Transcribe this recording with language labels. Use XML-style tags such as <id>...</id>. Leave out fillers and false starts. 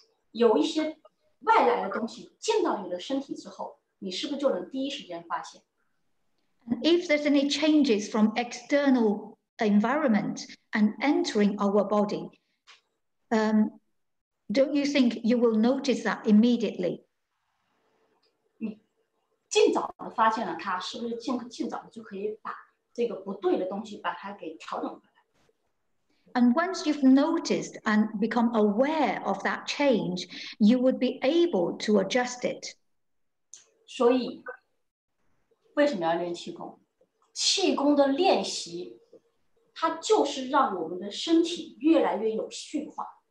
<zh>有一些外来的东西进到你的身体之后，你是不是就能第一时间发现？</zh> <en>And if there's any changes from external environment and entering our body, don't you think you will notice that immediately?</en> <zh>你尽早的发现了它，是不是尽早的就可以把这个不对的东西把它给调整回来？</zh> <en>And once you've noticed and become aware of that change, you would be able to adjust it.</en> <zh>所以为什么要练气功？气功的练习它就是让我们的身体越来越有序化。</zh>